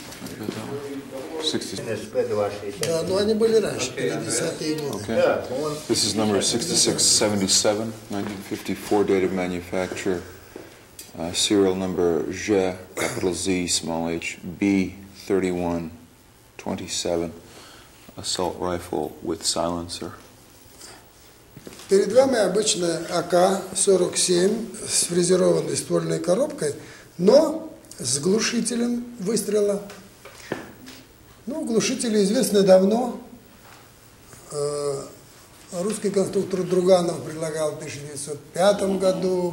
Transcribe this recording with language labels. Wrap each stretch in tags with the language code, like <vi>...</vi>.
<ru>Да, но они были раньше, 50-е годы.</ru> <en>Okay. This is number 6677, 1954, date of manufacture, serial number J, capital Z, small h, B3127, assault rifle with silencer.</en> <ru>Перед вами обычная АК-47 с фрезерованной ствольной коробкой, но с глушителем выстрела. Ну, глушители известны давно. Русский конструктор Друганов предлагал в 1905 году.</ru>